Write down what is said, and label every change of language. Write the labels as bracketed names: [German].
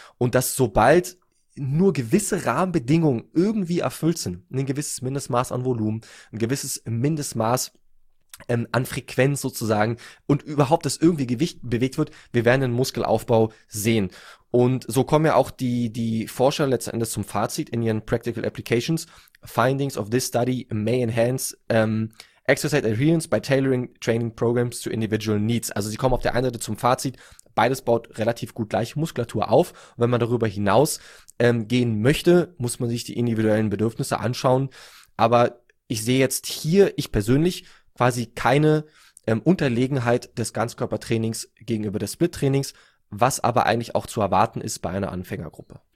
[German] Und dass sobald nur gewisse Rahmenbedingungen irgendwie erfüllt sind, ein gewisses Mindestmaß an Volumen, ein gewisses Mindestmaß an Frequenz sozusagen und überhaupt, dass irgendwie Gewicht bewegt wird, wir werden den Muskelaufbau sehen. Und so kommen ja auch die Forscher letzten Endes zum Fazit in ihren Practical Applications. [English] Findings of this study may enhance exercise adherence by tailoring training programs to individual needs. [German] Also sie kommen auf der einen Seite zum Fazit, beides baut relativ gut gleich Muskulatur auf. Und wenn man darüber hinaus gehen möchte, muss man sich die individuellen Bedürfnisse anschauen. Aber ich sehe jetzt hier, ich persönlich, quasi keine Unterlegenheit des Ganzkörpertrainings gegenüber des Split-Trainings, was aber eigentlich auch zu erwarten ist bei einer Anfängergruppe.